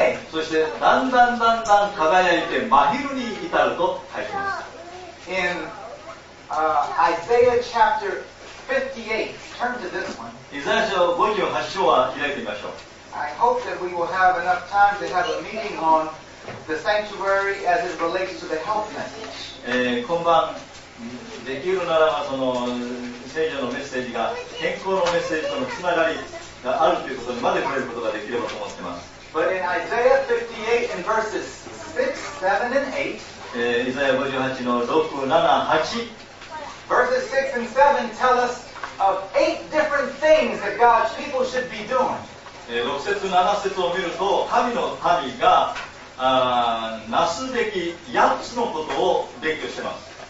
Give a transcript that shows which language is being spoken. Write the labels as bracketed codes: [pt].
[ja] そしてだんだんだんだん輝いて真昼に至ると書いています。 [en] In Isaiah chapter 58, turn to this one. [ja] イザヤ書58章は開いてみましょう。 [en] I hope that we will have enough time to have a meeting on the sanctuary as it relates to the health message. [ja] 今晩できるならば、その聖書のメッセージが健康のメッセージとのつながりがあるということにまで触れることができればと思っています。 [en] But in Isaiah 58 and verses 6, 7 and 8 [ja] Isaiah 58 の6、7、8 [en] Verses 6 and 7 tell us of 8 different things that God's people should be doing. [ja] 6節、7節を見ると、神の民がなすべき8つのことを列挙しています。